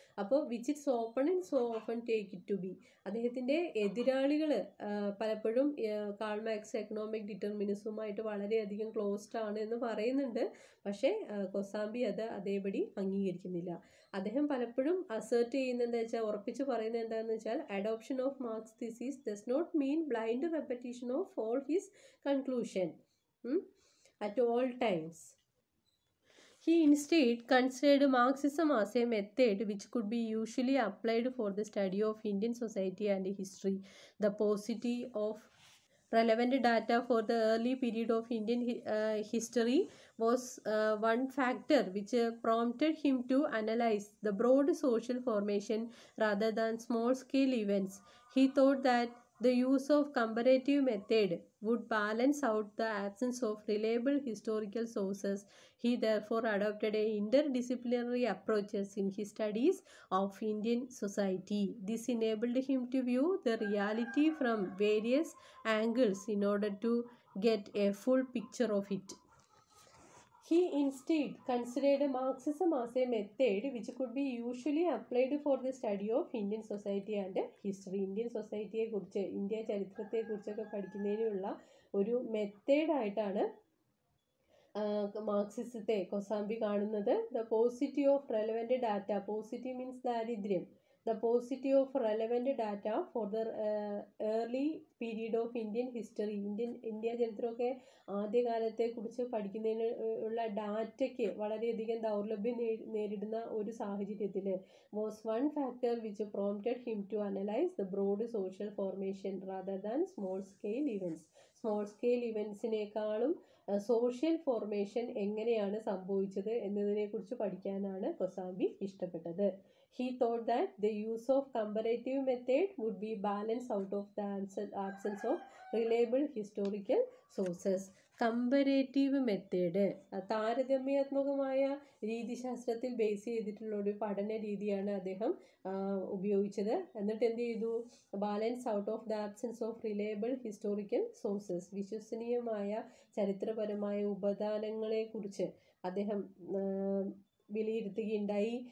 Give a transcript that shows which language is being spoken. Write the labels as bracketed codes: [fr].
[ml] അപ്പോൾ [en] Which it's open and so often take it to be. [ml] അദ്ദേഹത്തിൻ്റെ എതിരാളികൾ പലപ്പോഴും കാൾ മാർക്സ് എക്കണോമിക് ഡിറ്റർമിനിസവുമായിട്ട് വളരെയധികം ക്ലോസ്ഡ് ആണ് എന്ന് പറയുന്നുണ്ട്, പക്ഷേ കൊസാമ്പി അത് അതേപടി അംഗീകരിക്കുന്നില്ല. അദ്ദേഹം പലപ്പോഴും അസേർട്ട് ചെയ്യുന്നതെന്ന് വെച്ചാൽ, ഉറപ്പിച്ച് പറയുന്നത് എന്താണെന്ന് വെച്ചാൽ, [en] Adoption of Marx thesis does not mean blind repetition of all his conclusion at all times. He instead considered Marxism as a method which could be usually applied for the study of Indian society and history. The paucity of relevant data for the early period of Indian history was one factor which prompted him to analyze the broad social formation rather than small scale events. He thought that the use of comparative method would balance out the absence of reliable historical sources. He therefore adopted a interdisciplinary approaches in his studies of Indian society. This enabled him to view the reality from various angles in order to get a full picture of it. He instead considered Marxism as a method which could be usually applied for the study of Indian society and history. [ml] Indian society യെ കുറിച്ച്, India ചരിത്രത്തെ കുറിച്ചൊക്കെ പഠിക്കുന്നതിനുള്ള ഒരു മെത്തേഡായിട്ടാണ് മാർക്സിസത്തെ കൊസാമ്പി കാണുന്നത്. [en] The paucity of relevant data, paucity means ദാരിദ്ര്യം, the paucity of relevant data for the early period of Indian history. [ml] India ചരിത്രമൊക്കെ ആദ്യകാലത്തെക്കുറിച്ച് പഠിക്കുന്നതിന് ഉള്ള ഡാറ്റയ്ക്ക് വളരെയധികം ദൗർലഭ്യം നേരിടുന്ന ഒരു സാഹചര്യത്തിൽ [en] Was one factor which prompted him to analyse the broad social formation rather than small scale events. [ml] Small scale ഇവൻറ്റ്സിനേക്കാളും social formation എങ്ങനെയാണ് സംഭവിച്ചത് എന്നതിനെക്കുറിച്ച് പഠിക്കാനാണ് കൊസാമ്പി ഇഷ്ടപ്പെട്ടത്. [en] He thought that the use of comparative method would be balanced out of the absence of reliable historical sources. [ml] കമ്പരേറ്റീവ് method, താരതമ്യാത്മകമായ രീതിശാസ്ത്രത്തിൽ base ചെയ്തിട്ടുള്ള ഒരു പഠന രീതിയാണ് അദ്ദേഹം ഉപയോഗിച്ചത്. എന്നിട്ട് എന്ത് ചെയ്തു, [en] Balance out of the absence of reliable historical sources. [ml] വിശ്വസനീയമായ ചരിത്രപരമായ ഉപദാനങ്ങളെക്കുറിച്ച് അദ്ദേഹം വിലയിരുത്തുകയുണ്ടായി.